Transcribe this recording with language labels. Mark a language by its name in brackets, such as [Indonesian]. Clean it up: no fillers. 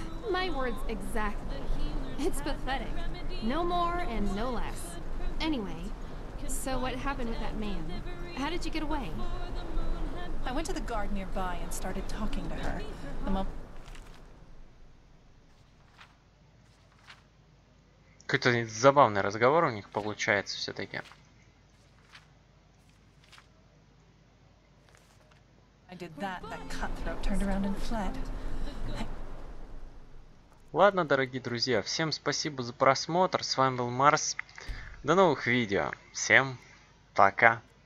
[English] My words exactly. It's pathetic. No more and no less. Anyway, so what happened with that man? How did you get away? I went to the guard nearby and started talking to her. [Russian] Какой-то забавный разговор у них получается все-таки. [English] I did that cutthroat turned around and fled. [Russian] Ладно, дорогие друзья, всем спасибо за просмотр. С вами был Марс. До новых видео. Всем пока.